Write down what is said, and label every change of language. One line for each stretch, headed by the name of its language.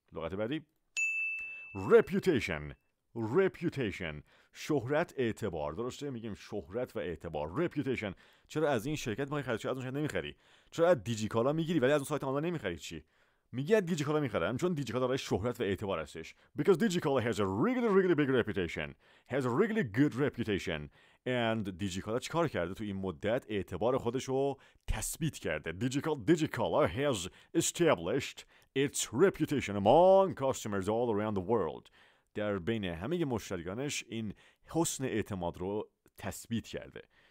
Persian: لغت بعدی reputation. reputation شهرت اعتبار، درسته میگیم شهرت و اعتبار. reputation چرا از این شرکت میخوای خرید، چرا از اون شرکت نمیخری، چرا از دیجی کالا میگیری ولی از اون سایت آنلاین نمیخری؟ چی میگی؟ از دیجی کالا میخرم چون دیجی کالا داره شهرت و اعتبار هستش.
English: because Digikala has a really really big reputation, has a really good reputation.
Persian: and دیجی کالا چیکار کرده تو این مدت؟ اعتبار خودش رو تثبیت کرده.
English: Digikala has established its reputation among customers all around the world.
Persian: در بین همه مشتریانش این حسن اعتماد رو تثبیت کرده.